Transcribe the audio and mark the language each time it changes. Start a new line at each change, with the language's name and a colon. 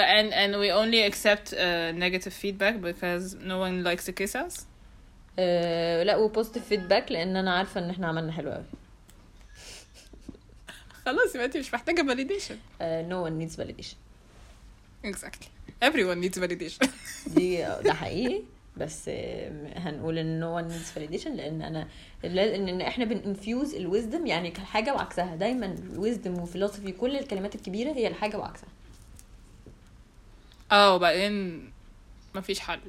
English: and we only accept negative feedback because no one likes to kiss us
Arabic: لا و
English: positive feedback
Arabic: لان انا عارفه ان احنا عملنا حلو قوي خلاص يبقى انت مش محتاجه validation
English: no one needs validation exactly everyone needs validation
Arabic: دي ده حقيقي بس هنقول ان
English: no one needs validation
Arabic: لان انا ان احنا بننفيوز الويزدم يعني كالحاجة وعكسها دايما الويزدم وفلسفي كل الكلمات الكبيرة هي الحاجة وعكسها اه وبعدين مفيش حل